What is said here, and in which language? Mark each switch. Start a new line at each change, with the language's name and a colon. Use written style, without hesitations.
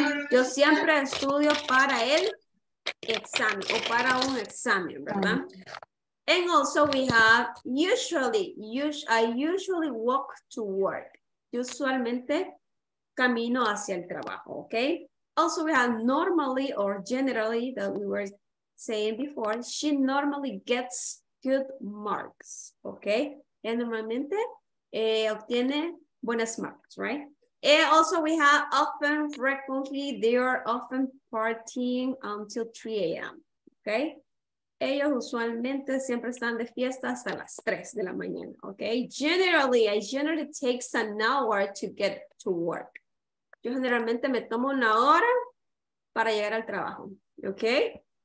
Spanish: Yo siempre estudio para el exam, o para un examen, ¿verdad?
English: And also we have I usually walk to work.
Spanish: Yo usualmente camino hacia el trabajo, okay?
English: Also we have normally or generally that we were saying before, she normally gets good marks, okay?
Spanish: And normalmente obtiene buenas marks, right?
English: And also we have often, frequently, they are often partying until 3 a.m., okay?
Spanish: Ellos usualmente siempre están de fiesta hasta las 3 de la mañana, okay?
English: Generally, I generally takes an hour to get to work.
Spanish: Yo generalmente me tomo una hora para llegar al trabajo, okay?